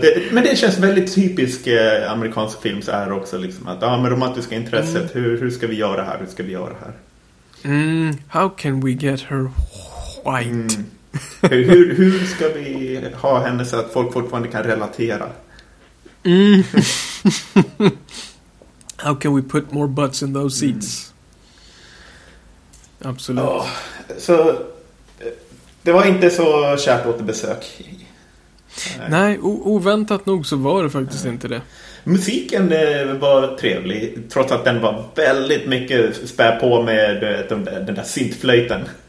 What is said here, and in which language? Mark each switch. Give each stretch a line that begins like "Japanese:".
Swedish: Men det känns väldigt typisk amerikansk film så här också liksom, att med romantiska intresset, hur ska vi göra här?
English: How can we get her white?
Swedish: Hur ska vi ha henne så att folk fortfarande kan relatera?
English: How can we put more butts in those seats?
Swedish: Absolut. Oh, så det var inte så kärt återbesök. Nej, oväntat nog så var det faktiskt inte det. Musiken var trevlig, trots att den var väldigt mycket spär på med den där synthflöjten.